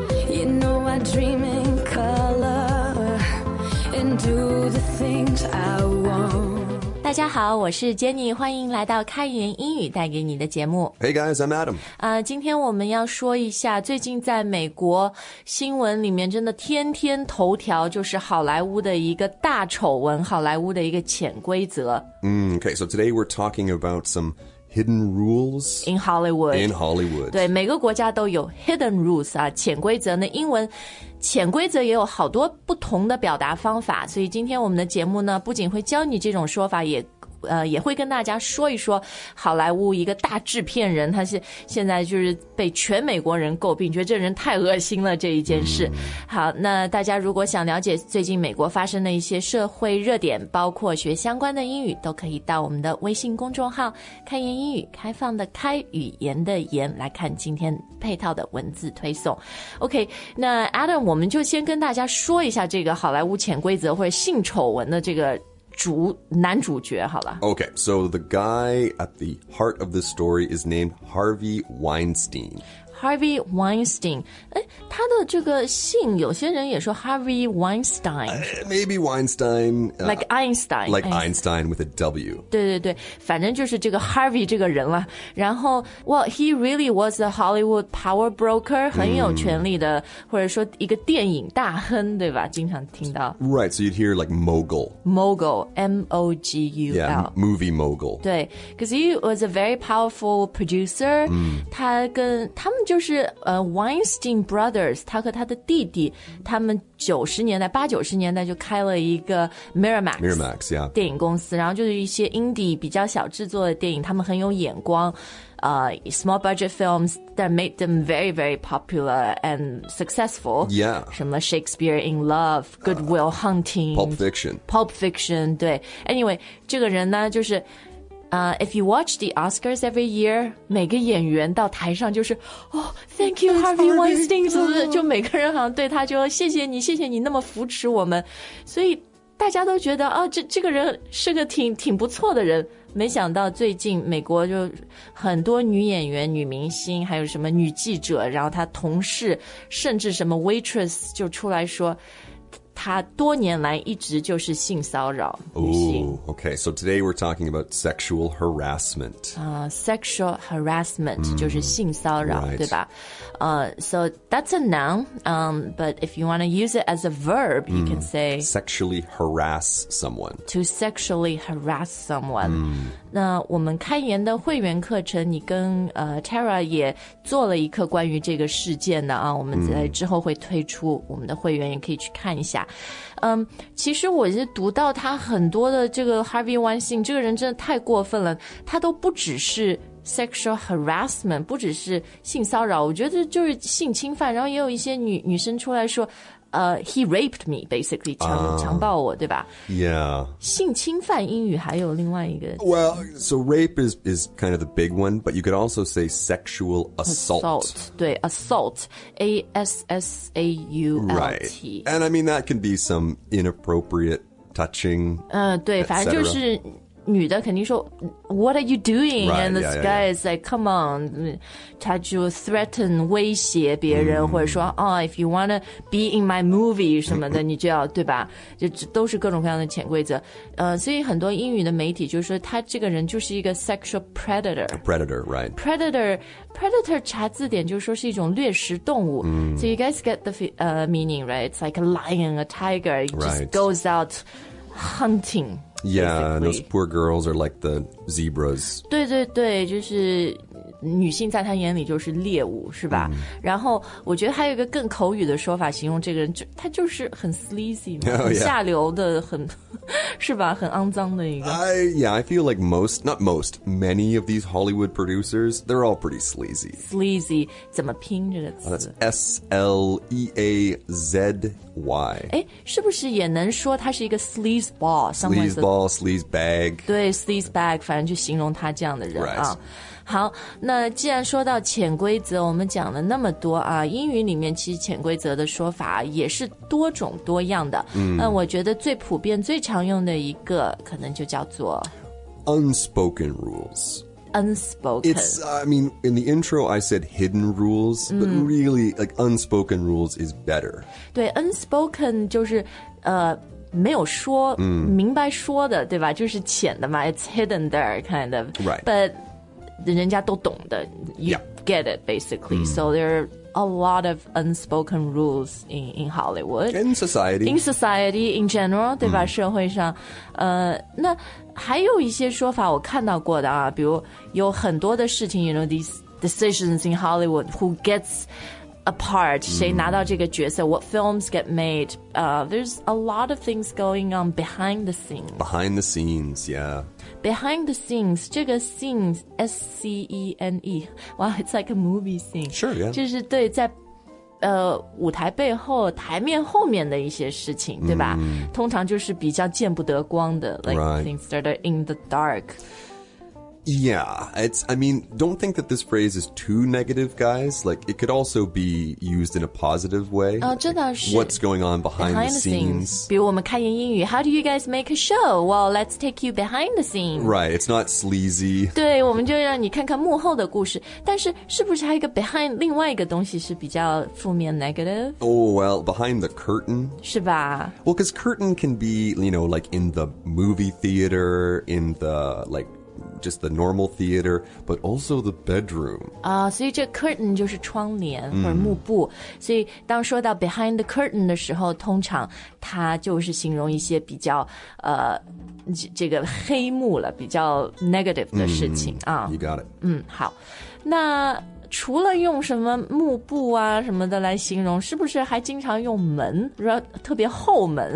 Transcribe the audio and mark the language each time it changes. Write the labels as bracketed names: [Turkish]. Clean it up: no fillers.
[English] You know I dream in color and do the things I want. [Chinese] 大家好，我是 Jenny， 欢迎来到开源英语带给你的节目。 [English] Hey guys, I'm Adam. [Chinese] 今天我们要说一下最近在美国新闻里面真的天天头条，就是好莱坞的一个大丑闻，好莱坞的一个潜规则。 [English] Okay, so today we're talking about some hidden rules. In Hollywood. In Hollywood. [Chinese] 对，每个国家都有 [English] hidden rules [Chinese] 啊，潜规则呢，英文潜规则也有好多不同的表达方法，所以今天我们的节目呢，不仅会教你这种说法，也会跟大家说一说好莱坞一个大制片人，他是现在就是被全美国人诟病，觉得这人太恶心了这一件事。好，那大家如果想了解最近美国发生的一些社会热点，包括学相关的英语，都可以到我们的微信公众号开言英语，开放的开，语言的言，来看今天配套的文字推送。 OK， 那 Adam， 我们就先跟大家说一下这个好莱坞潜规则或者性丑闻的这个男主角好了。 [English] Okay, so the guy at the heart of this story is named Harvey Weinstein. Harvey Weinstein. [Chinese] 他的这个姓有些人也说 Harvey Weinstein. [English] Maybe Weinstein. Like Einstein. Like Einstein with a W. [Chinese] 对对对，反正就是这个 Harvey 这个人了。然后 [English] well, he really was a Hollywood power broker, [Chinese] 很有权力的，或者说一个电影大亨，对吧？经常听到。 [English] Right, so you'd hear like mogul. Mogul, M-O-G-U-L. Yeah, movie mogul. 对 because he was a very powerful producer. [Chinese] 他们就是Weinstein Brothers， 他和他的弟弟，他们八九十年代就开了一个 Miramax、 [English] yeah. [Chinese] 电影公司，然后就是一些 indie 比较小制作的电影，他们很有眼光。 [English] Small budget films that made them very, very popular and successful. Yeah. [Chinese] 什么 Shakespeare in Love, Goodwill Hunting. [English] Pulp Fiction, [Chinese] 对。 Anyway, 这个人呢就是 [English] if you watch the Oscars every year, [Chinese] 每个演员到台上就是 [English] Oh, thank you, [Chinese] Harvey Weinstein. 就每个人好像对他就谢谢你，谢谢你那么扶持我们。所以大家都觉得哦，这个人是个挺不错的人。没想到最近美国就很多女演员、女明星，还有什么女记者，然后她同事，甚至什么 waitress 就出来说他多年来一直就是性骚扰女性。 [English] Ooh, okay, so today we're talking about sexual harassment. [Chinese] Sexual harassment, 就是性骚扰、 [English] right. [Chinese] 对吧？ [English] So that's a noun, but if you want to use it as a verb, you can say... Sexually harass someone. To sexually harass someone. [Chinese] 那我们开言的会员课程，你跟Tara 也做了一课关于这个事件的啊，我们在之后会推出，我们的会员也可以去看一下。其实我是读到他很多的这个 Harvey Weinstein 这个人真的太过分了，他都不只是 sexual harassment， 不只是性骚扰，我觉得就是性侵犯，然后也有一些女生出来说 [English] he raped me, basically, [Chinese] 强暴我，对吧？ [English] Yeah. [Chinese] 性侵犯英语还有另外一个。 [English] Well, so rape is kind of the big one, but you could also say sexual assault. 对 ,assault. A-S-S-A-U-L-T. Right. And I mean, that can be some inappropriate touching, [Chinese] 对，反正就是女的肯定说 [English] What are you doing? Right, and this yeah, guy yeah. is like, come on. [Chinese] 他就 threaten, 威胁别人、或者说 [English] Oh, if you wanna be in my movie [Chinese] 什么的你就要对吧，就都是各种各样的潜规则。所以很多英语的媒体就是说他这个人就是一个 sexual predator. [English] A predator, right. [Chinese] Predator 查字典就是说是一种掠食动物。 [English] So you guys get the meaning, right? It's like a lion, a tiger. It just goes out hunting. Yeah,、 Basically. Those poor girls are like the zebras. [Chinese] 对对对，就是女性在她眼里就是猎物，是吧？然后我觉得还有一个更口语的说法形容这个人，就他就是很 sleazy，、 [English] oh, yeah. [Chinese] 很下流的，很是吧？很肮脏的一个。 [English] I feel like many of these Hollywood producers, they're all pretty sleazy. [Chinese] Sleazy 怎么拼这个词？ [English] That's S-L-E-A-Z-Y. 哎， [Chinese] 是不是也能说他是一个 sleaze ball? [English] Sleaze ball, sleaze bag. [Chinese] 对 ，sleaze bag， 反正就形容他这样的人、 [English] right. 啊。 [Chinese] 好，那既然说到潜规则，我们讲了那么多啊，英语里面其实潜规则的说法也是多种多样的。那我觉得最普遍、最常用的一个，可能就叫做 [English] unspoken rules. Unspoken. I mean, in the intro, I said hidden rules,、mm. but really, like, unspoken rules is better. [Chinese] 对 unspoken 就是、没有说、mm. 明白说的对吧就是浅的嘛 [English] It's hidden there, kind of. Right. But [Chinese] 人家都懂的 [English] You、yeah. get it, basically.、Mm. So there are a lot of unspoken rules in Hollywood. In society. In society, in general, [Chinese] 对吧、 [English] mm. [Chinese] 社会上、那还有一些说法我看到过的啊比如有很多的事情 [English] you know, these decisions in Hollywood, who gets... A part,、mm. [Chinese] 谁拿到这个角色 [English] what films get made.、there's a lot of things going on behind the scenes. Behind the scenes, yeah. Behind the scenes, 这个 scenes, S-C-E-N-E. Wow, it's like a movie scene. Sure, yeah. [Chinese] 就是对在、舞台背后台面后面的一些事情、mm. 对吧通常就是比较见不得光的 [English] like、 right. things that are in the dark. Yeah, it's, I mean, don't think that this phrase is too negative, guys. Like, it could also be used in a positive way. [Chinese] Oh, 真的是 [English] What's going on behind the scenes? [Chinese] 比如我们开言英语 [English] How do you guys make a show? Well, let's take you behind the scenes. Right, it's not sleazy. [Chinese] 对我们就让你看看幕后的故事但是是不是还有一个 [English] behind, 另外一个东西是比较负面 negative? Oh, well, behind the curtain. [Chinese] 是吧 [English] Well, because curtain can be, you know, like in the movie theater, in the, like,just the normal theater, but also the bedroom. [Chinese] So this curtain 就是窗帘或者幕布、mm. 所以当说到 [English] behind the curtain [Chinese] 的时候通常它就是形容一些比较、这个黑幕了比较 negative 的事情、mm. [English] You got it. [Chinese] 好那除了用什么幕布啊什么的来形容是不是还经常用门特别后门